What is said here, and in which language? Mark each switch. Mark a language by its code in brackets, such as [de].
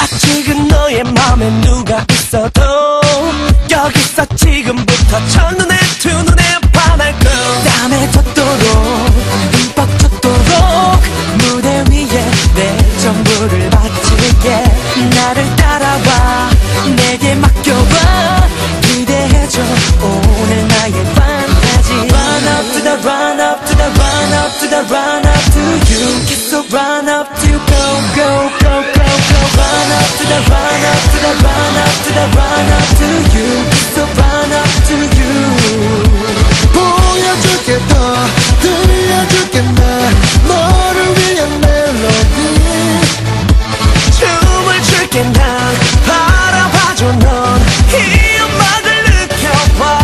[ko] 아직은 너의 맘에 누가 있어도 여기서 지금부터 첫눈에 두 눈에 반할 거. 땀에 젖도록 흠뻑 젖도록 무대 위에 내 전부를 바칠게. 나를 따라와 내게 맡겨봐. 기대해줘 오늘 나의 판타지. [en] Run up to the, run up to the, run up to the, run up to you. So run up to you, go, go, go, go, go. Run up to the, run up to the, run up to the, run up to you. So run up to you. [ko] 보여줄게 더 들려줄게 나 너를 위한 멜로디. 춤을 출게 나 바라봐줘 넌 이 음악을 느껴봐.